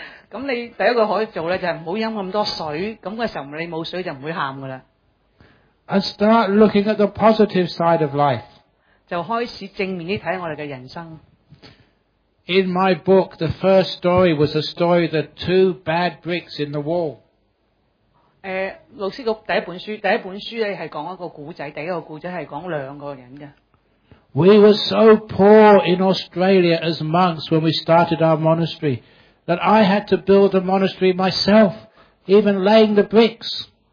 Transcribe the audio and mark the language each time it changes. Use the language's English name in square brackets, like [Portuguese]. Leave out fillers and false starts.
[Chinese] 那你第一個可以做的就是不要喝那麼多水,那時候你沒有水就不會哭了。 [English] And start looking at the positive side of life. [Chinese] 就開始正面地看我們的人生。 [English] In my book, the first story was a story of the two bad bricks in the wall. [Chinese] 老師的第一本書是講一個故事,第一個故事是講兩個人的。 [English] We were so poor in Australia as monks when we started our monastery, that I had to build a monastery myself, even laying the bricks.